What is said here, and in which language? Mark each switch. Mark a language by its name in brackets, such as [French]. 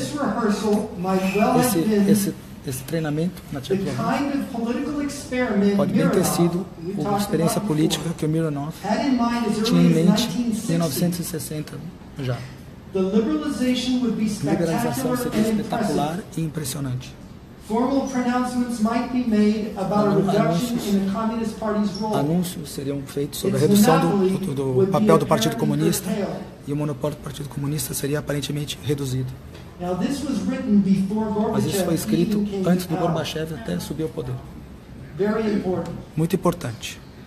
[Portuguese] 68. Esse treinamento na Tchecoslováquia pode bem ter sido uma experiência política que o Mironov tinha em mente em 1960 já. [English] The liberalization would be spectacular, [Portuguese] liberalização seria espetacular e impressionante. [English] Formal pronouncements might be made about a reduction in the Communist Party's role. [Portuguese] Anúncios seriam feitos sobre a redução do papel do Partido Comunista e o monopólio do Partido Comunista seria aparentemente reduzido. [English] Now, this was written before Gorbachev. [Portuguese] Mas isso foi escrito antes do Gorbachev até subir ao poder. [English] Very important. [Portuguese] Muito importante.